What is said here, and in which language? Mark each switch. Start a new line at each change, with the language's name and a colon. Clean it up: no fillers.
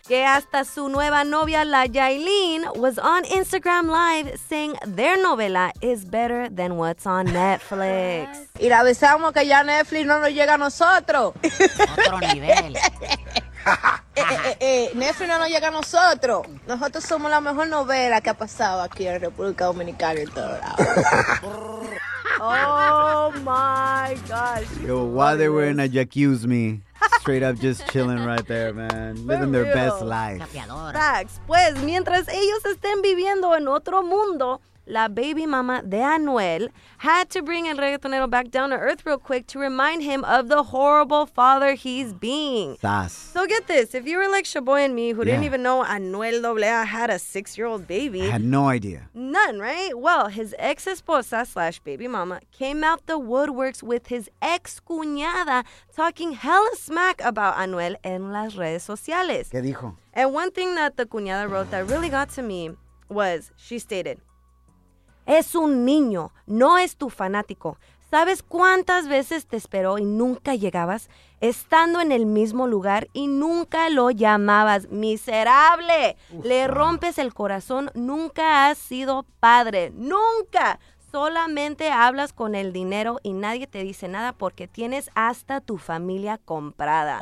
Spanish: Que hasta su nueva novia,
English: la Yailin, was on Instagram Live saying their novela is better than what's on Netflix.
Spanish: Y le avisamos que ya Netflix no nos llega a nosotros. Otro nivel. Netflix no nos llega a nosotros. Nosotros somos la mejor novela que ha pasado aquí en República Dominicana y en todo lado.
English: Oh my gosh. Yo, while they were in a jacuzzi, me. Straight up just chilling right there, man. For living their best life. Facts.
Spanish: Pues, mientras ellos estén viviendo en otro mundo, la baby mama de Anuel
English: had to bring el reggaetonero back down to earth real quick to remind him of the horrible father he's being. Sas. So get this. If you were like Shaboy and me, who didn't even know Anuel AA had a six-year-old baby. I had no idea. None, right? Well, his ex-esposa slash baby mama came out the woodworks with his ex-cuñada talking hella smack about Anuel
Spanish: en las redes sociales. ¿Qué dijo?
English: And one thing that the cuñada wrote that really got to me was she stated,
Spanish: es un niño, no es tu fanático. ¿Sabes cuántas veces te esperó y nunca llegabas? Estando en el mismo lugar y nunca lo llamabas. ¡Miserable! Ufa. Le rompes el corazón. Nunca has sido padre. ¡Nunca! Solamente hablas con el dinero y nadie te dice nada porque tienes hasta tu familia comprada.